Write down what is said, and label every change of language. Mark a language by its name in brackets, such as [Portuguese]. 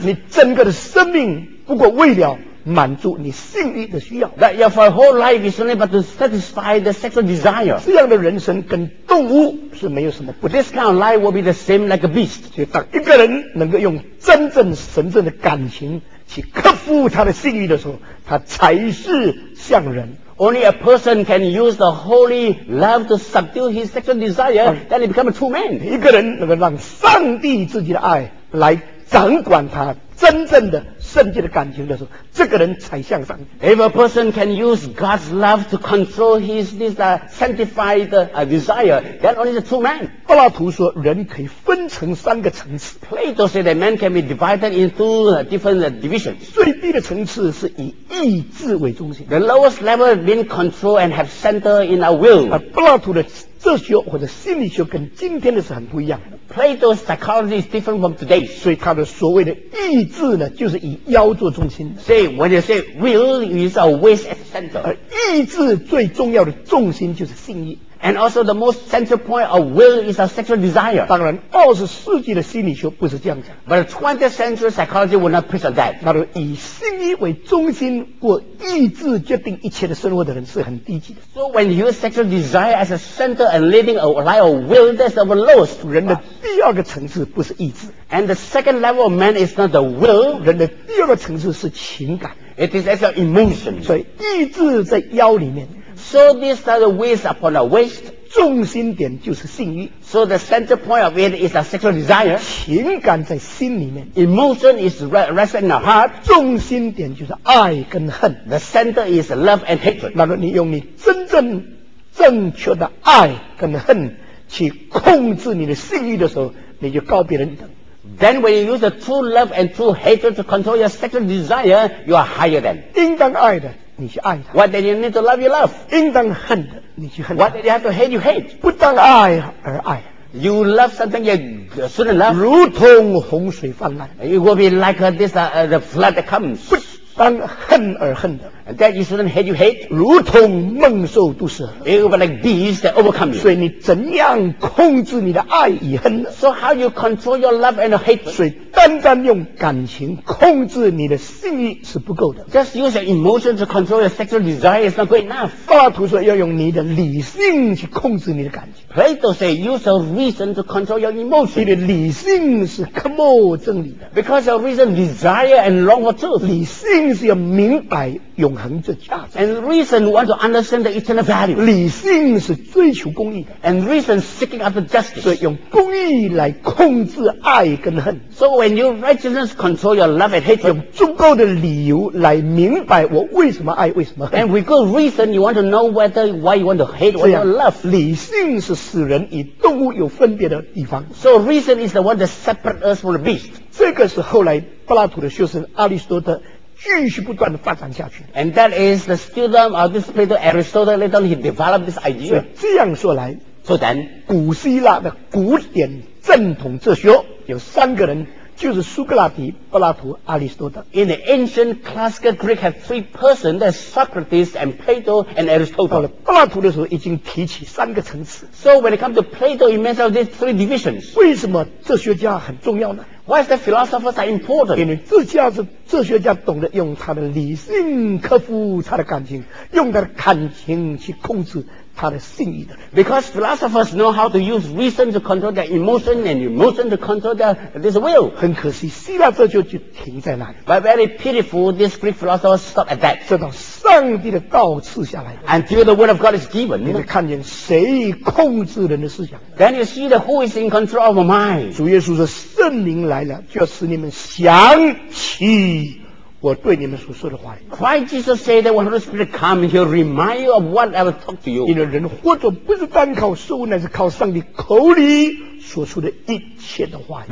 [Chinese] 你整个的生命不过为了满足你性欲的需要。 [English] That your for whole life is only but to satisfy the sexual desire. [Chinese] 这样的人生跟动物是没有什么不同。 [English] This kind of life will be the same like a beast. [Chinese] 所以当一个人能够用真正神圣的感情去克服他的性欲的时候，他才是像人。 [English] Only a person can use the holy love to subdue his sexual desire, then he becomes a true man. [Chinese] 一个人能够让上帝自己的爱来掌管他真正的圣洁的感情的时候，这个人才像上帝。 [English] If a person can use God's love to control his sanctified desire, then only the true man. [Chinese] 柏拉图说人可以分成三个层次。 [English] Plato said that man can be divided into different divisions. [Chinese] 最低的层次是以意志为中心。 [English] The lowest level being controlled and have center in our will. [Chinese] 柏拉图的哲学或者心理学跟今天的是很不一样的。 [English] Plato's psychology is different from today. [Chinese] 所以他的所谓的意志呢，就是以腰做中心。 [English] So when you say will, it's always at the center. [Chinese] 而意志最重要的重心就是性欲。 [English] And also the most central point of will is our sexual desire. [Chinese] 当然二十世纪的心理学不是这样讲。 [English] But the 20th century psychology will not preach on that. [Chinese] 那种以心意为中心过意志决定一切的生活的人是很低级的。 [English] So when you use sexual desire as a center and leading a life of will, that's the lowest. [Chinese] 人的第二个层次不是意志。 [English] And the second level of man is not the will. [Chinese] 人的第二个层次是情感。 [English] It is as an emotion. [Chinese] 所以意志在腰里面。 [English] So this are the waste upon a waste. [Chinese] 重心点就是性欲。 [English] So the center point of it is a sexual desire. [Chinese] 情感在心里面。 [English] Emotion is resting in the heart. [Chinese] 重心点就是爱跟恨。 [English] The center is love and hatred. [Chinese] 那么你用你真正正确的爱跟恨去控制你的性欲的时候，你就告别人等。 [English] Then when you use the true love and true hatred to control your sexual desire, you are higher than. [Chinese] 应当爱的你去爱他。 [English] What then you need to love, you love. [Chinese] 应当恨的你去恨他。 [English] What then you have to hate, you hate. [Chinese] 不当爱而爱。 [English] You love something you shouldn't love. [Chinese] 如同洪水泛滥。 [English] It will be like this, the flood that comes. [Chinese] 不当恨而恨的。 [English] And that you shouldn't hate, you hate. [Chinese] 如同猛兽毒蛇。 [English] It will be like beasts that overcome you. [Chinese] 所以你怎样控制你的爱与恨呢？ [English] So how you control your love and hate? [Chinese] 所以单单用感情控制你的性欲是不够的。 [English] Just use your emotion to control your sexual desire is not good enough. [Chinese] 柏拉图说要用你的理性去控制你的感情。 [English] Plato say use your reason to control your emotion. [Chinese] 你的理性是渴慕真理的。 [English] Because your reason desire and long for truth. [Chinese] 理性是要明白永恒的价值。 [English] And reason want to understand the eternal value. [Chinese] 理性是追求公义的。 [English] And reason seeking after justice. [Chinese] 所以用公义来控制爱跟恨。 [English] So when you righteousness control your love and hatred. [Chinese] 用足够的理由来明白我为什么爱为什么恨。 [English] And with good reason you want to know whether why you want to hate or you love. [Chinese] 理性是使人与动物有分别的地方。 [English] So reason is the one that separates us from the beast. [Chinese] 这个是后来柏拉图的学生阿里斯多德继续不断地发展下去。 [English] And that is the student of this Plato Aristotle later he developed this idea. [Chinese] 这样说来， [English] so then, [Chinese] 古希腊的古典正统哲学有三个人，就是苏格拉底、柏拉图、阿里斯多德。 [English] In the ancient classical Greek have three persons, that's Socrates and Plato and Aristotle. [Chinese] 到了柏拉图的时候已经提起三个层次。 [English] So when it comes to Plato, he mentioned these three divisions. [Chinese] 为什么哲学家很重要呢？ [English] Why is the philosophers are important? [Chinese] 因为哲学家懂得用他的理性克服他的感情，用他的感情去控制他的心意的。 [English] Because philosophers know how to use reason to control their emotion and emotion to control their this will. [Chinese] 很可惜，希腊这就停在那里。 [English] But very pitiful, this Greek philosopher stopped at that. [Chinese] 直到上帝的道赐下来。 [English] Until the word of God is given. [Chinese] 你会看见谁控制人的思想。 [English] Then you see that who is in control of our mind. [Chinese] 主耶稣说，圣灵来了，就要使你们想起我对你们所说的话。 [English] Why Jesus say that when the Holy Spirit come, he'll remind you of what I've talked to you? [Chinese] 因为人活着不是单靠食物，乃是靠上帝口里所说的一切的话。